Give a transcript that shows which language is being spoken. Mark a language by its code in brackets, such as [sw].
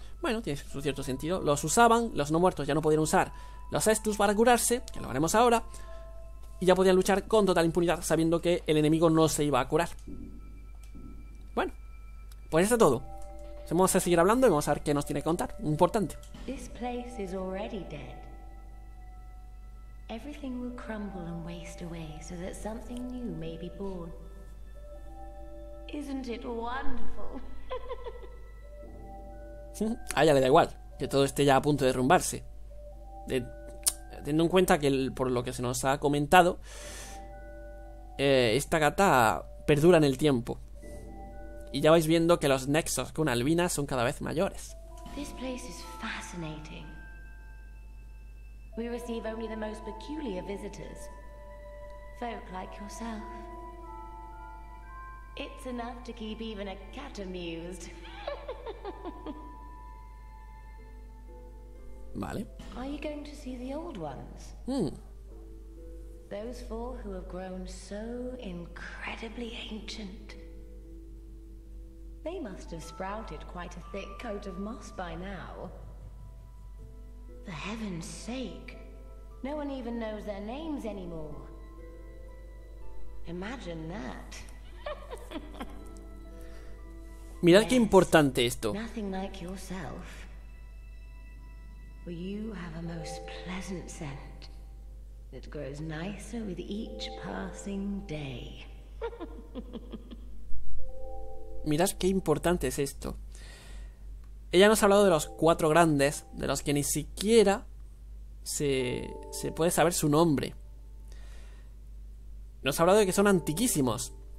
[es] Bueno, tiene su cierto sentido. Los usaban, los no muertos ya no podían usar los Estus para curarse, que lo haremos ahora, y ya podían luchar con total impunidad, sabiendo que el enemigo no se iba a curar. Bueno, pues eso es todo. Vamos a seguir hablando y vamos a ver qué nos tiene que contar. Importante. [en] This place is already dead. Everything will crumble and waste away so that something new may be born. Isn't it wonderful? [es] A ella le da igual que todo esté ya a punto de derrumbarse. Teniendo en cuenta que por lo que se nos ha comentado, esta gata perdura en el tiempo. Y ya vais viendo que los nexos con Albina son cada vez mayores. [en] This place is fascinating. We receive only the most peculiar visitors. Folk like yourself. It's enough to keep even a cat amused. [es] Vale. [en] Are you going to see the old ones? Hmm. Those four who have grown so incredibly ancient. They must have sprouted quite a thick coat of moss by now. For heaven's sake, no one even knows their names anymore. Imagine that. [es] Mirad qué importante esto. [en] Nothing like yourself. For you have a most pleasant scent that grows nicer with each passing day. [es] Mirad qué importante es esto. Ella nos ha hablado de los cuatro grandes, de los que ni siquiera se puede saber su nombre. Nos ha hablado de que son antiquísimos.